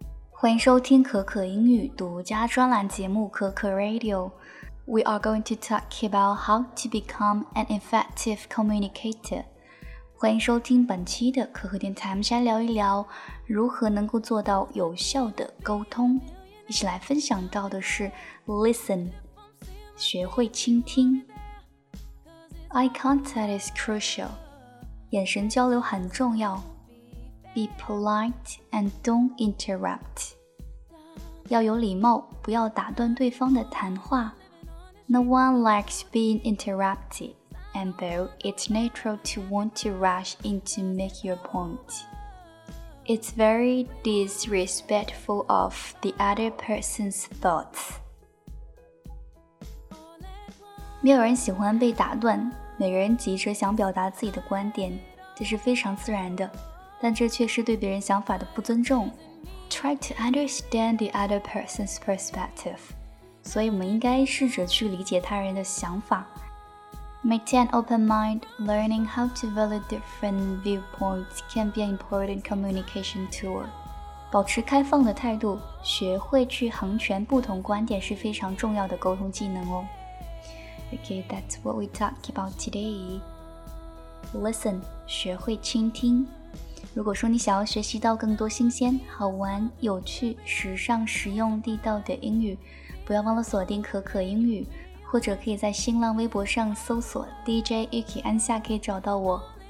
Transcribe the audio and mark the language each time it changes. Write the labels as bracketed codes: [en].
[zh] 欢迎收听可可英语独家专栏节目可可 Radio. [en] We are going to talk about how to become an effective communicator. [zh] 欢迎收听本期的可可电台，我们先聊一聊如何能够做到有效的沟通。一起来分享到的是 listen, 学会倾听。 [en] Eye contact is crucial. [zh] 眼神交流很重要。 [en] Be polite and don't interrupt. [zh] 要有礼貌，不要打断对方的谈话。 [en] No one likes being interrupted, and though it's natural to want to rush in to make your point, it's very disrespectful of the other person's thoughts. [zh] 没有人喜欢被打断，每个人急着想表达自己的观点，这是非常自然的。但这却是对别人想法的不尊重。 [en] Try to understand the other person's perspective. [zh] 所以我们应该试着去理解他人的想法。 [en] Maintain open mind, learning how to validate different viewpoints can be an important communication tool. [zh] 保持开放的态度，学会去横权不同观点是非常重要的沟通技能哦。 [en] Okay, that's what we talk about today. Listen, [zh] 学会倾听。如果说你想要学习到更多新鲜、好玩、有趣、时尚、实用、地道的英语，不要忘了锁定可可英语，或者可以在新浪微博上搜索 DJ Yuki 安夏，可以找到我。